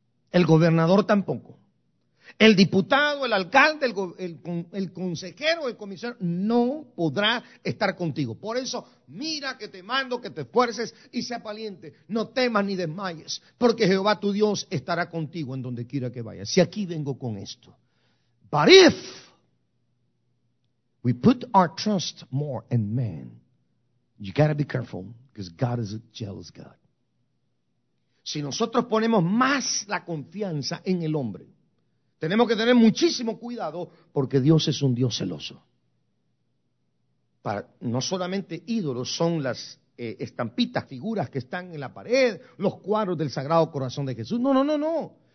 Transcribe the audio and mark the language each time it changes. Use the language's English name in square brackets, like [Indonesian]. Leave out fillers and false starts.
[Spanish] El gobernador tampoco. El diputado, el alcalde, el consejero, el comisionado, no podrá estar contigo. Por eso, mira que te mando que te esfuerces y sea valiente. No temas ni desmayes, porque Jehová tu Dios estará contigo en donde quiera que vayas. Y aquí vengo con esto. [English] But if we put our trust more in man, you gotta be careful, because God is a jealous God. [Spanish] Si nosotros ponemos más la confianza en el hombre, tenemos que tener muchísimo cuidado porque Dios es un Dios celoso. No solamente ídolos son las estampitas, figuras que están en la pared, los cuadros del Sagrado Corazón de Jesús. No.